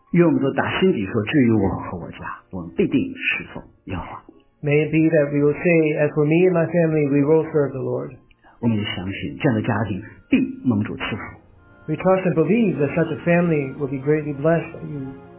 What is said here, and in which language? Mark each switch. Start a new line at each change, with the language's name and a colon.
Chinese: 愿我们都打心底说，至于我和我家，我们必定侍奉耶和华。
English: May it be that we will say, as for me and my family, we will serve the Lord.
Chinese: 我们也相信这样的家庭必蒙主赐福。
English: We trust and believe that such a family will be greatly blessed by you.